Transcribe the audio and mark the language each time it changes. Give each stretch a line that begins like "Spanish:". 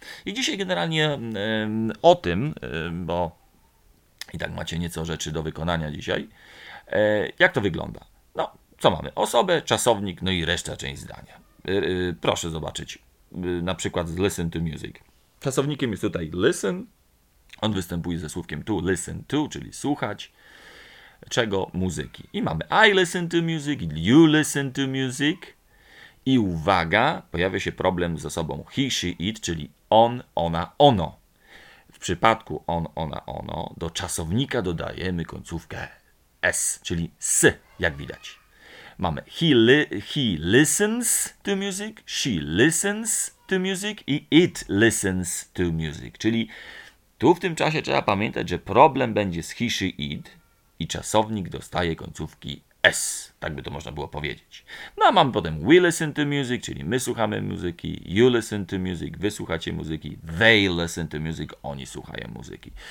Polish: I dzisiaj generalnie o tym, bo i tak macie nieco rzeczy do wykonania dzisiaj, jak to wygląda? No, co mamy? Osobę, czasownik, no i reszta, część zdania. Proszę zobaczyć, na przykład z
English: listen to music.
Polish: Czasownikiem jest tutaj listen, on występuje ze słówkiem to,
English: listen to,
Polish: czyli słuchać. Czego? Muzyki. I mamy
English: I listen to music, you listen to music.
Polish: I uwaga, pojawia się problem z osobą
English: he, she, it,
Polish: czyli on, ona, ono. W przypadku on, ona, ono do czasownika dodajemy końcówkę s, czyli s, jak widać. Mamy
English: he listens to music, she listens to music i it listens to music.
Polish: Czyli tu w tym czasie trzeba pamiętać, że problem będzie z
English: he, she, it
Polish: i czasownik dostaje końcówki s, tak by to można było powiedzieć. No a mamy potem
English: we listen to music,
Polish: czyli my słuchamy muzyki,
English: you listen to music,
Polish: wy słuchacie muzyki,
English: they listen to music,
Polish: oni słuchają muzyki.